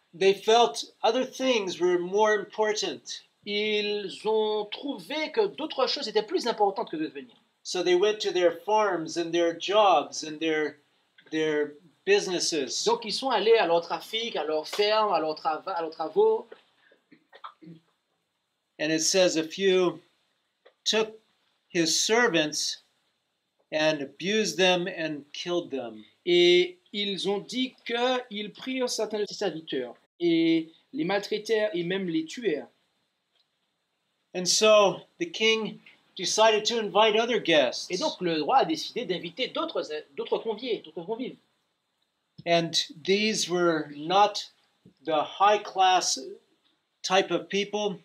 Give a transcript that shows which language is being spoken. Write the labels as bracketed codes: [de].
[en] They felt other things were more important. [fr] Ils ont trouvé que d'autres choses étaient plus importantes que de venir. [en] So they went to their farms and their jobs and their businesses. [fr] Donc ils sont allés à leur trafic, à leur ferme, à leur travail, à leurs travaux. [en] And it says a few took his servants and abused them and killed them. [fr] Et ils ont dit que ils prirent certains de ses serviteurs et les maltraitèrent et même les tuèrent. [en] And so the king decided to invite other guests. [fr] Et donc le roi a décidé d'inviter d'autres convives. [en] And these were not the high class type of people.